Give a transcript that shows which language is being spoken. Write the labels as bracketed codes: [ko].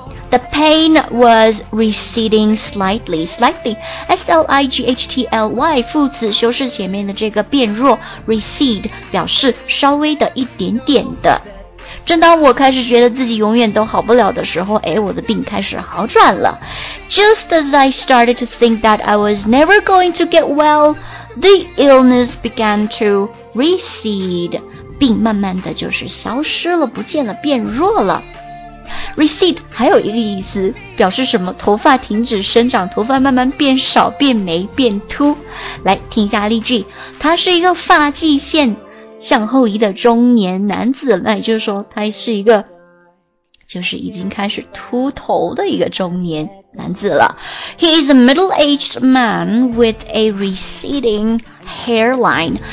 [en] The pain was receding slightly, slightly, S-L-I-G-H-T-L-Y, [zh] 副词修饰前面的这个变弱， recede 表示稍微的一点点的。正当我开始觉得自己永远都好不了的时候，诶，我的病开始好转了。 [en] Just as I started to think that I was never going to get well, the illness began to recede. [zh] 病慢慢的就是消失了，不见了，变弱了。 Recede 还有一个意思，表示什么？头发停止生长，头发慢慢变少，变没，变秃。来，听一下例句，它是一个发际线向后移的中年男子，那也就是说他是一个就是已经开始秃头的一个中年男子了。 [en] He is a middle-aged man with a receding hairline.